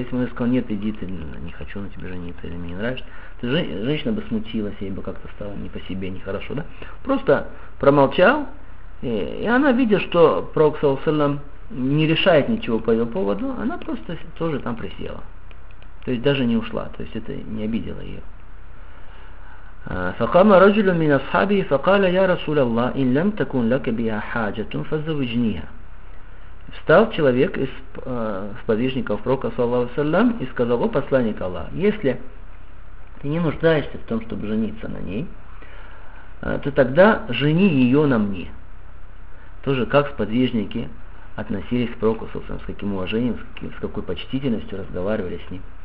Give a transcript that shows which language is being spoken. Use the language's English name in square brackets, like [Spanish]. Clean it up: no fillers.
[Russian] Если бы он сказал: нет, иди, ты, не хочу на тебя жениться или мне не нравишься, то женщина бы смутилась, ей бы как-то стало не по себе, нехорошо, да? Просто промолчал, и она, видя, что пророк саллаллаху алейхи ва саллям не решает ничего по ее поводу, она просто тоже там присела. То есть даже не ушла, то есть это не обидело ее. [Arabic] فقام رجل من أصحابه فقال يا رسول الله إن لم تكن لك بها حاجة فزوجنيها. [Russian] Встал человек из сподвижников пророка саллаллаху алейхи ва саллям и сказал: о посланник Аллах, если ты не нуждаешься в том, чтобы жениться на ней, то тогда жени ее на мне. Тоже как сподвижники относились к пророку саллаллаху алейхи ва саллям, с каким уважением, с какой почтительностью разговаривали с ним.